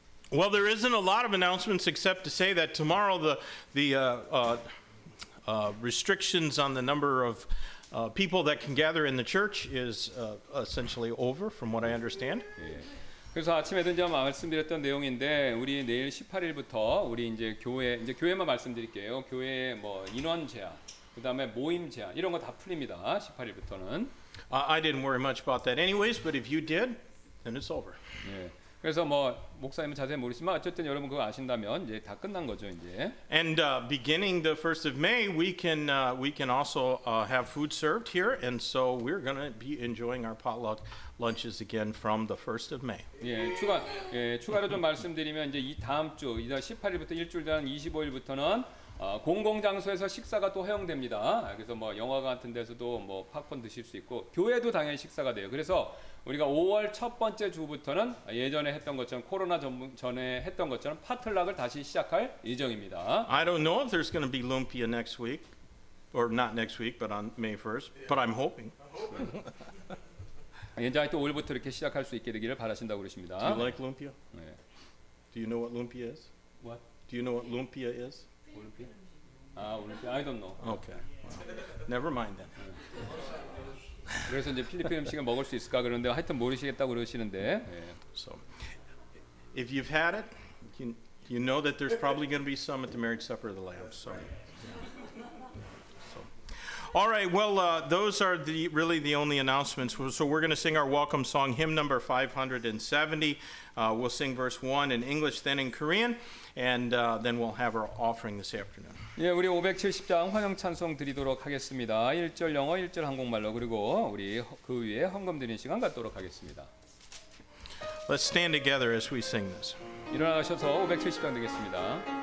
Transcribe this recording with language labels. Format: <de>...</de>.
<en>Well, there isn't a lot of announcements except to say that tomorrow the restrictions on the number of people that can gather in the church is essentially over, from what I understand.</en> <ko>그래서 아침에도 이제 말씀드렸던 내용인데 우리 내일 18일부터 우리 이제 교회 이제 교회만 말씀드릴게요. 교회 뭐 인원 제한 그 다음에 모임 제한 이런 거 다 풀립니다. 18일부터는.</ko> <en>I didn't worry much about that anyways, but if you did, then it's over.</en> <ko>예. 그래서 뭐 목사님은 자세히 모르지만 어쨌든 여러분 그거 아신다면 이제 다 끝난 거죠 이제.</ko> <en>And beginning the 1st of May, we can also have food served here, and so we're going to be enjoying our potluck lunches again from the 1st of May.</en> <ko>예, 추가 예, 추가로 좀 말씀드리면 이제 이 다음 주 이달 18일부터 일주일 전 25일부터는 공공 장소에서 식사가 또 허용됩니다. 그래서 뭐 영화관 같은 데서도 뭐 팝콘 드실 수 있고 교회도 당연히 식사가 돼요. 그래서 우리가 5월 첫 번째 주부터는 예전에 했던 것처럼 코로나 전에 했던 것처럼 파틀락을 다시 시작할 예정입니다.</ko> <en>I don't know if there's going to be lumpia next week or not next week but on May 1st, but I'm hoping.</en> <ko>예전에 또 5월부터 이렇게 시작할 수 있게 되기를 바라신다고 그러십니다.</ko> <en>Do you like lumpia?</en> <ko>네.</ko> <en>Do you know what lumpia is? What? Do you know what lumpia is? I don't know. Okay. Never mind then.</en> <ko>그래서 이제 필리핀 음식을 먹을 수 있을까 그런데 하여튼 모르시겠다고 그러시는데.</ko> <en>So, if you've had it, you know that there's probably going to be some at the marriage supper of the Lamb. So. All right. Well, those are really the only announcements. So we're going to sing our welcome song, hymn number 570. We'll sing verse 1 in English, then in Korean, and then we'll have our offering this afternoon.</en> <ko>예, 우리 570장 환영 찬송 드리도록 하겠습니다. 1절 영어, 1절 한국말로 그리고 우리 그 위에 헌금 드리는 시간 갖도록 하겠습니다.</ko> <en>Let's stand together as we sing this.</en> <ko>일어나셔서 570장 되겠습니다.</ko>